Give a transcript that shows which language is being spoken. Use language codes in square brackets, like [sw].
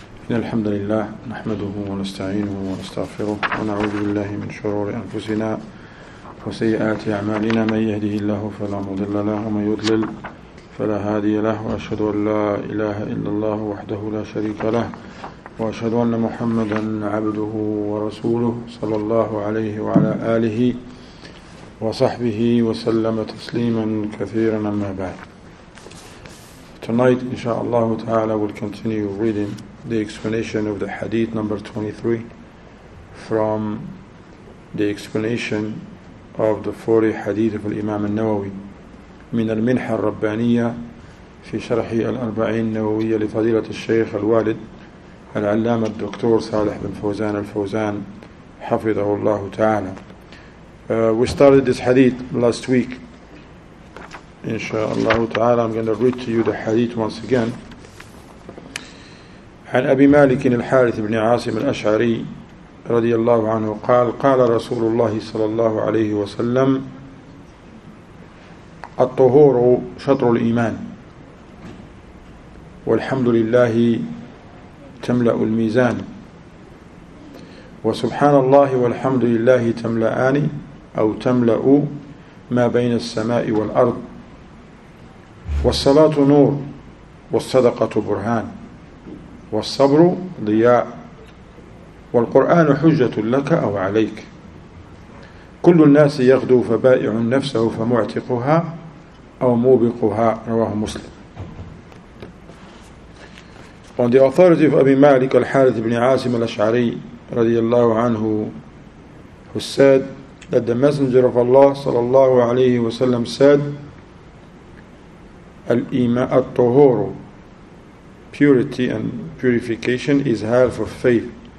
[ar] إن الحمد لله نحمده ونستعينه ونستغفره ونعوذ بالله من شرور أنفسنا وسيئات أعمالنا، من يهده الله فلا مضل له ومن يضلل فلا هادي له، وأشهد أن لا إله إلا الله وحده لا شريك له، وأشهد أن محمدا عبده ورسوله صلى الله عليه وعلى آله وصحبه وسلم تسليما كثيرا، أما بعد. [en] Tonight, inshallah ta'ala, we'll continue reading the explanation of the hadith number 23 from the explanation of the 40 hadith of Imam al-Nawawi [ar] من المنحة الربانية في شرح الأربعين النووية لفضيلة الشيخ الوالد العلامة الدكتور صالح بن فوزان الفوزان حفظه الله تعالى. [en] We started this hadith last week. Inshallah ta'ala, I'm going to read to you the hadith once again. [ar] عن أبي مالك الحارث بن عاصم الأشعري رضي الله عنه قال قال رسول الله صلى الله عليه وسلم الطهور شطر الإيمان والحمد لله تملأ الميزان وسبحان الله والحمد لله تملأني أو تملأ ما بين السماء والأرض والصلاة نور والصدقة برهان والصبر ضياء والقرآن حجة لك أو عليك كل الناس يغدو فبائع نفسه فمعتقها أو موبقها رواه مسلم. [en] On the authority of Abi Malik al-Harith ibn Asim al-Ash'ari رضي الله عنه, who said that the Messenger of Allah صلى الله عليه وسلم said [ar] الإيمان الطهور, [en] purity and purification is half of faith.